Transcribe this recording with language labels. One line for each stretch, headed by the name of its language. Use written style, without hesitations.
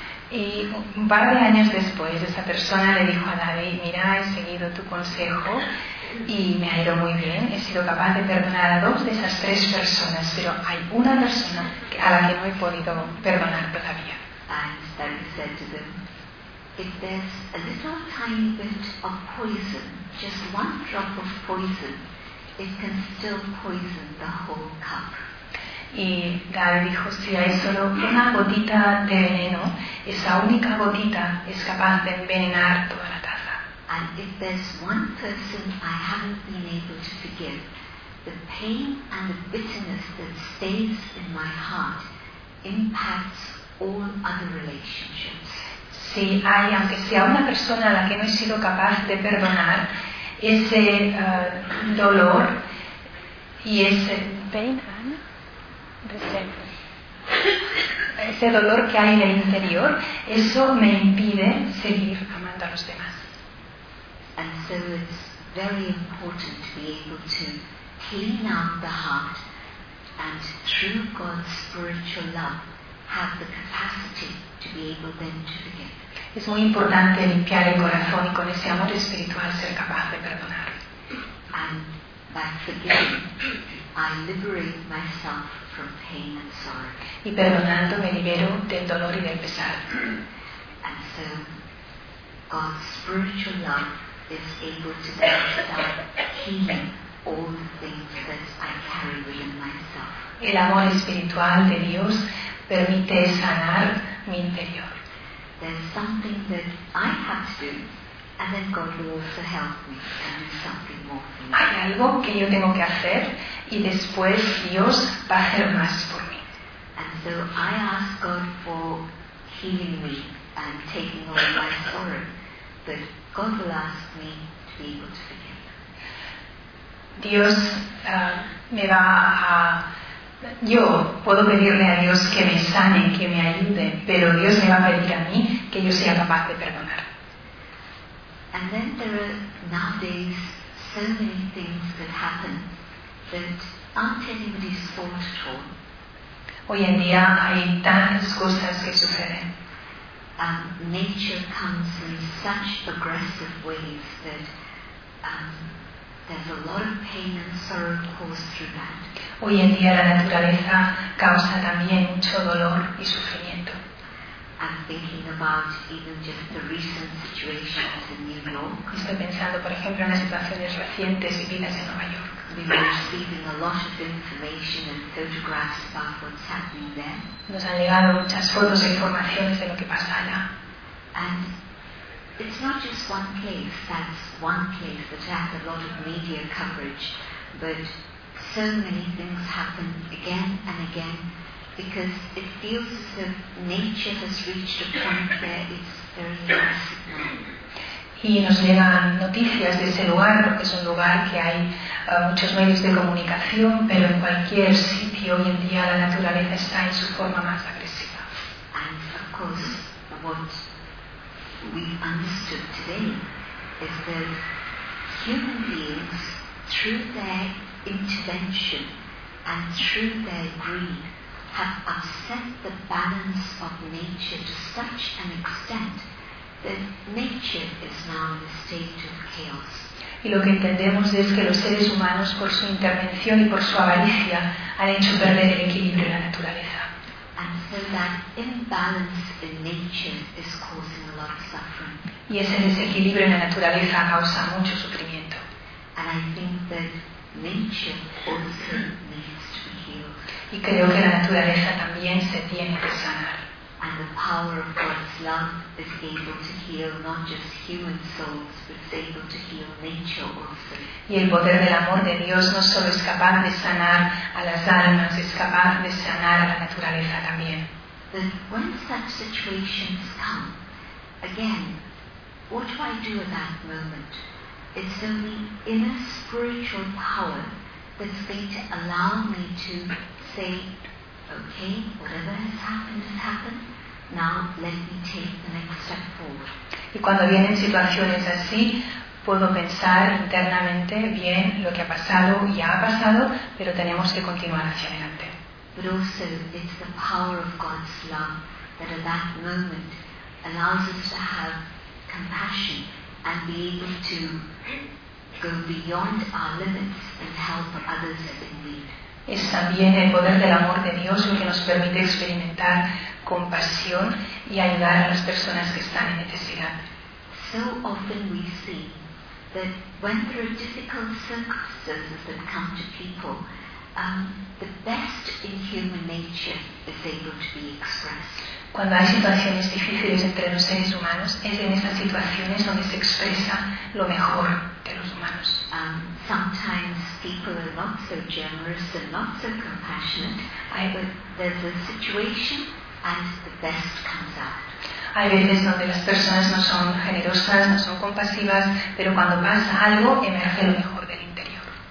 Spanish: Y un par de años después, esa persona le dijo a David, mira, he seguido tu consejo y me ha ido muy bien. He sido capaz de perdonar a dos de esas tres personas, pero hay una persona a la que no he podido perdonar todavía.
English: And David said to them, if there's a little tiny bit of poison, just one drop of poison, it can still poison the whole cup.
Spanish: Y David dijo, si hay solo una gotita de veneno, esa única gotita es capaz de envenenar toda la taza.
English: And if there's one person I haven't been able to forgive, the pain and the bitterness that stays in my heart impacts all other relationships.
Spanish: Sí, hay, aunque sea una persona a la que no he sido capaz de perdonar, ese dolor y ese
English: pain and resentment.
Spanish: Ese dolor que hay en el interior, eso me impide seguir amando a los demás.
English: And so it's very important to be able to clean out the heart and through God's spiritual love have the capacity to be able then to forgive.
Spanish: Es muy importante limpiar el corazón y con ese amor espiritual ser capaz de perdonar.
English: And by forgiving, I liberate myself from pain and sorrow.
Spanish: Y perdonando me libero del dolor y del pesar.
English: And so, God's spiritual love is able to start healing all the things that I carry within myself.
Spanish: El amor espiritual de Dios permite sanar mi interior.
English: There's something that I have to do, and then God will also help me and do something more for me.
Spanish: Hay algo que yo tengo que hacer y después Dios va a hacer más por mí.
English: And so I ask God for healing me and taking away my sorrow, but God will ask me to be able to forgive.
Spanish: Dios me va a Yo puedo pedirle a Dios que me sane, que me ayude, pero Dios me va a pedir a mí que yo sea capaz de perdonar.
English: And then there are nowadays so many things that happen that aren't anybody's fault at all.
Spanish: Hoy en día hay tantas cosas que suceden.
English: Nature comes in such aggressive ways that there's a lot of pain and sorrow caused through that.
Spanish: Hoy en día la naturaleza causa también mucho dolor y sufrimiento.
English: I'm thinking about even just the recent situations in New York.
Spanish: Estoy pensando, por ejemplo, en las situaciones recientes vividas en Nueva York.
English: We've been receiving a lot of information and photographs about what's happening there.
Spanish: Nos han llegado muchas fotos e informaciones de lo que pasa allá.
English: And it's not just one case. That's one case that has a lot of media coverage, but so many things happen again and again because it feels as if nature has reached a point where it's very toxic.
Spanish: Y nos llegan noticias de ese lugar, porque es un lugar que hay muchos medios de comunicación, pero en cualquier sitio hoy en día la naturaleza está en su forma más agresiva.
English: And of course, what we understood today is that human beings, through their intervention and through their greed, have upset the balance of nature to such an extent that nature is now in a state of chaos.
Spanish: Y lo que entendemos es que los seres humanos, por su intervención y por su avaricia, han hecho perder el equilibrio de la naturaleza.
English: And so that imbalance in nature is causing a lot of suffering.
Spanish: Y ese desequilibrio en la naturaleza causa mucho sufrimiento.
English: And I think that nature also needs to be healed.
Spanish: Y creo que la naturaleza también se tiene que sanar.
English: And the power of God's love is able to heal not just human souls, but is able to heal nature also.
Spanish: Y el poder del amor de Dios no solo es capaz de sanar a las almas, es capaz de sanar a la naturaleza también.
English: But when such situations come, again, what do I do at that moment? It's only inner spiritual power that's going to allow me to say, okay, whatever has happened, now let me take the next step forward.
Spanish: Y cuando vienen situaciones así, puedo pensar internamente, bien, lo que ha pasado ya ha pasado, pero tenemos que continuar hacia adelante.
English: But also, it's the power of God's love that at that moment allows us to have compassion and be able to go beyond our limits and help others in need.
Spanish: Es también el poder del amor de Dios lo que nos permite experimentar compasión y ayudar a las personas que están en necesidad.
English: So often we see that when there are difficult circumstances that come to people, the best in human nature is able to be expressed.
Spanish: Cuando hay situaciones difíciles entre los seres humanos, es en esas situaciones donde se expresa lo mejor de los humanos.
English: Sometimes people are not so generous and not so compassionate. There's a situation and the best comes out.
Spanish: Hay veces donde las personas no son generosas, no son compasivas, pero cuando pasa algo, emerge lo mejor del interior.